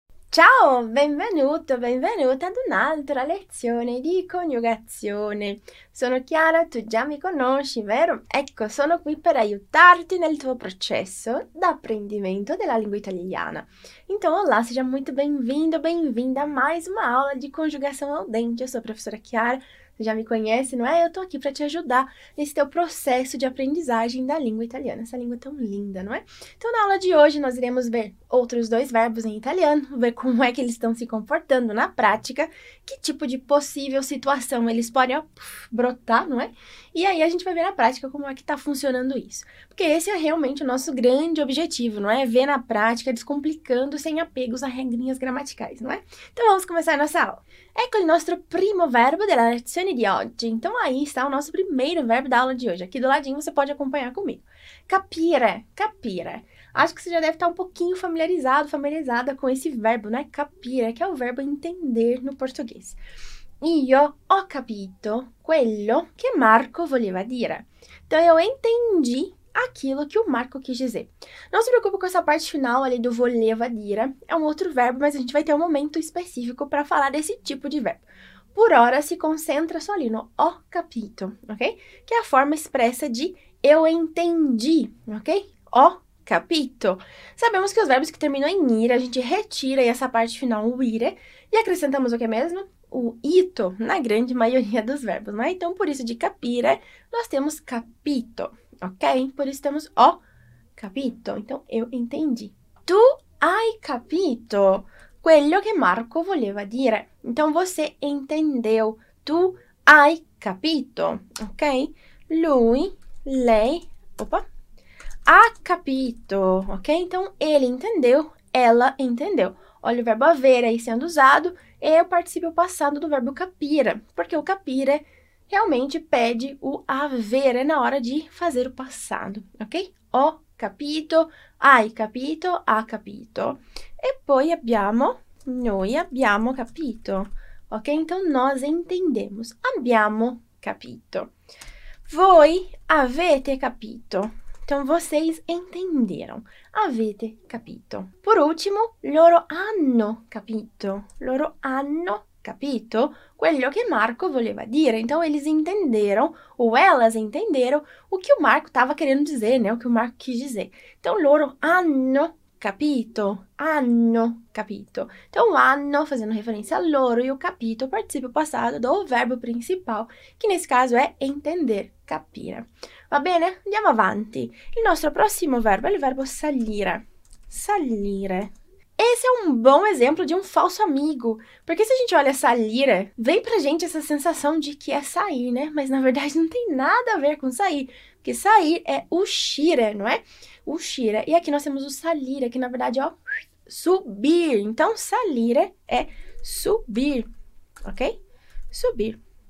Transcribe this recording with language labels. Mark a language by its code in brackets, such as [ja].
[it] Ciao, benvenuto, benvenuta ad un'altra lezione di coniugazione. Sono Chiara, tu già mi conosci, vero? Ecco, sono qui per aiutarti nel tuo processo d'apprendimento della lingua italiana. [pt] Então, olá, seja muito bem-vindo, bem-vinda a mais uma aula de conjugação ao dente. Eu sou a professora Chiara, você já me conhece, não é? Eu tô aqui para te ajudar nesse teu processo de aprendizagem da língua italiana, essa língua tão linda, não é? Então, na aula de hoje, nós iremos ver outros dois verbos em italiano, ver como é que eles estão se comportando na prática, que tipo de possível situação eles podem, ó, brotar, não é? E aí a gente vai ver na prática como é que está funcionando isso. Porque esse é realmente o nosso grande objetivo, não é? Ver na prática, descomplicando sem apegos a regrinhas gramaticais, não é? Então vamos começar a nossa aula. [it] Ecco il nostro primo verbo della lezione di oggi. [pt] Então aí está o nosso primeiro verbo da aula de hoje. Aqui do ladinho você pode acompanhar comigo. Capire, capire. Acho que você já deve estar um pouquinho familiarizado, familiarizada com esse verbo, né? Capire, que é o verbo entender no português. [it] Io ho capito quello che Marco voleva dire. [pt] Então eu entendi aquilo que o Marco quis dizer. Não se preocupe com essa parte final ali do [it] voleva dire. [pt] É um outro verbo, mas a gente vai ter um momento específico para falar desse tipo de verbo. Por ora, se concentra só ali no [it] ho capito, [pt] ok? Que é a forma expressa de eu entendi, ok? [it] Ho capito. [pt] Sabemos que os verbos que terminam em ire, a gente retira aí essa parte final, o ire, e acrescentamos o que mesmo? O ito, na grande maioria dos verbos, né? Então, por isso de capire, nós temos capito, ok? Por isso temos [it] ho capito. [pt] Então, eu entendi. [it] Tu hai capito quello che Marco voleva dire. [pt] Então, você entendeu. [it] Tu hai capito, [pt] ok? [it] Lui, lei, opa. Ha capito, ok? [pt] Então ele entendeu, ela entendeu. Olha o verbo haver aí sendo usado e o participio passado do verbo capire, porque o capire realmente pede o haver, é na hora de fazer o passado, ok? [it] Ho capito, hai capito, ha capito. E poi abbiamo, noi abbiamo capito, ok? [pt] Então nós entendemos, [it] abbiamo capito. Voi avete capito. [pt] Então, vocês entenderam. [it] Avete capito. [pt] Por último, [it] loro hanno capito. Loro hanno capito quello che Marco voleva dire. [pt] Então, eles entenderam, ou elas entenderam, o que o Marco estava querendo dizer, né? O que o Marco quis dizer. Então, [it] loro hanno capito. [pt] Hanno capito. Então, hanno, fazendo referência a loro, e o capito, participio passato do verbo principal, che nesse caso è entender, capire. [it] Va bene? Andiamo avanti. Il nostro prossimo verbo è il verbo salire. Salire. Esse è un buon esempio di un falso amigo. [pt] Perché se a gente olha salire, vem pra gente essa sensação de que é sair, né? Mas na verdade não tem nada a ver com sair. Porque sair é uscire, não é? Uscire. E aqui nós temos o salire, que na verdade é ó, subir. Então, salire é subir, ok? Subir.